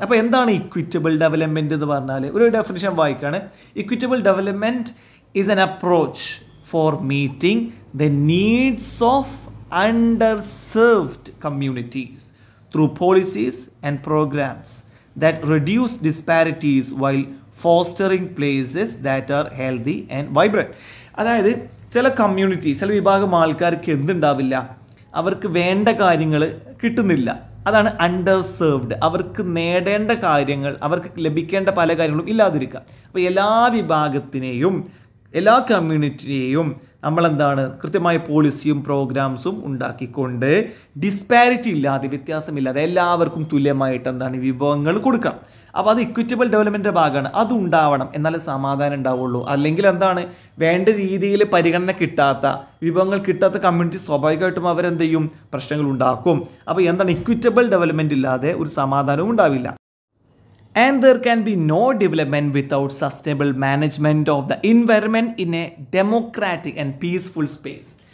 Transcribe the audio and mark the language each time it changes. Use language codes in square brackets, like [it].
[ml] അപ്പോൾ എന്താണ് equitable development എന്ന് പറഞ്ഞാൽ, ഒരു ഡെഫിനിഷൻ വായിക്കുകയാണ്. [en] Equitable development is an approach for meeting the needs of underserved communities through policies and programs that reduce disparities while fostering places that are healthy and vibrant. [ml] അതായത് ചില community, ചില വിഭാഗം ആൾക്കാർക്ക് എന്തുണ്ടാവില്ല, അവർക്ക് വേണ്ട കാര്യങ്ങൾ കിട്ടുന്നില്ല, അതാണ് അണ്ടർസെർവ്ഡ്. അവർക്ക് നേടേണ്ട കാര്യങ്ങൾ, അവർക്ക് ലഭിക്കേണ്ട പല കാര്യങ്ങളും ഇല്ലാതിരിക്കുക. അപ്പോൾ എല്ലാ വിഭാഗത്തിനെയും, എല്ലാ കമ്മ്യൂണിറ്റിയെയും നമ്മളെന്താണ് കൃത്യമായ പോളിസിയും പ്രോഗ്രാംസും ഉണ്ടാക്കിക്കൊണ്ട് ഡിസ്പാരിറ്റി ഇല്ലാതെ, വ്യത്യാസമില്ലാതെ എല്ലാവർക്കും തുല്യമായിട്ട് എന്താണ് വിഭവങ്ങൾ കൊടുക്കണം. അപ്പോൾ അത് ഇക്വിറ്റബിൾ ഡെവലപ്മെൻറ്റിൻ്റെ ഭാഗമാണ്, അതുണ്ടാവണം, എന്നാലേ സമാധാനം ഉണ്ടാവുള്ളൂ. അല്ലെങ്കിൽ എന്താണ് വേണ്ട രീതിയിൽ പരിഗണന കിട്ടാത്ത, വിഭവങ്ങൾ കിട്ടാത്ത കമ്മ്യൂണിറ്റി സ്വാഭാവികമായിട്ടും അവരെന്ത് ചെയ്യും, പ്രശ്നങ്ങൾ ഉണ്ടാക്കും. അപ്പോൾ എന്താണ് ഇക്വിറ്റബിൾ ഡെവലപ്മെൻറ്റ് ഇല്ലാതെ ഒരു സമാധാനവും ഉണ്ടാവില്ല. [en] And there can be no development without sustainable management of the environment in a democratic and peaceful space.